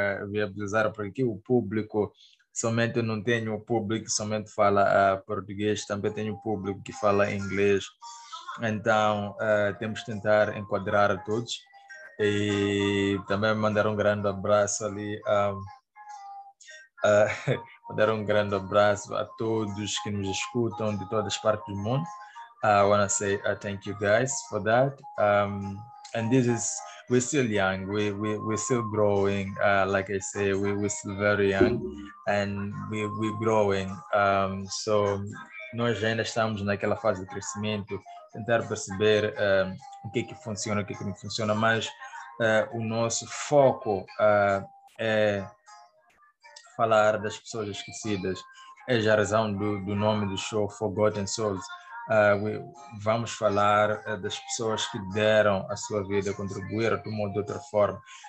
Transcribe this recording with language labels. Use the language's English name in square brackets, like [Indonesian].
[Portuguese] viabilizar, porque o público, somente não tenho o público que somente fala português, também tenho o público que fala inglês. Então, temos que tentar enquadrar a todos e também mandar um grande abraço a todos que nos escutam de todas as partes do mundo. [English] I want to say thank you guys for that. And this is, we're still young, we're still growing, like I say, we're still very young and we're growing. [Portuguese] So nós ainda estamos naquela fase de crescimento, tentar perceber o que funciona, o que não funciona, mas o nosso foco é falar das pessoas esquecidas. É a razão do nome do show, Forgotten Souls. Vamos falar das pessoas que deram a sua vida, contribuíram de uma ou de outra forma.